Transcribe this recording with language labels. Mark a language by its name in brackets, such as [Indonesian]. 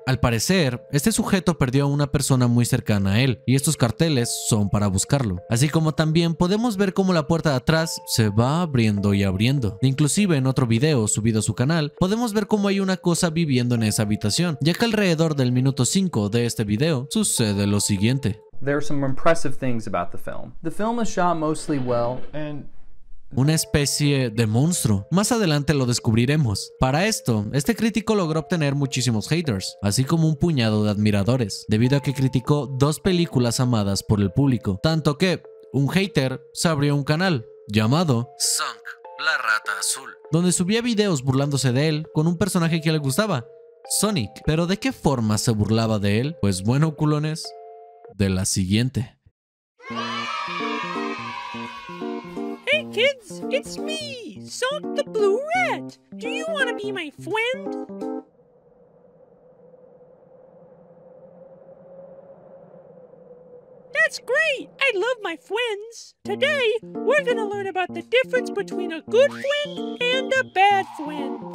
[Spanish] Al parecer, este sujeto perdió a una persona muy cercana a él, y estos carteles son para buscarlo. Así como también podemos ver cómo la puerta de atrás se va abriendo y abriendo. Inclusive en otro video subido a su canal, podemos ver cómo hay una cosa viviendo en esa habitación, ya que alrededor del minuto 5 de este video sucede lo siguiente. [English] There are some impressive things about the film. The film is shot mostly well and [Spanish] una especie de monstruo. Más adelante lo descubriremos. Para esto, este crítico logró obtener muchísimos haters, así como un puñado de admiradores, debido a que criticó dos películas amadas por el público. Tanto que un hater se abrió un canal llamado Sunk, la rata azul, donde subía videos burlándose de él con un personaje que le gustaba, Sonic. ¿Pero de qué forma se burlaba de él? Pues bueno, culones, de la siguiente. [English] Hey kids, it's me, Salt the Blue Rat. Do you want to be my friend? That's great! I love my friends! Today, we're gonna learn about the difference between a good friend and a bad friend.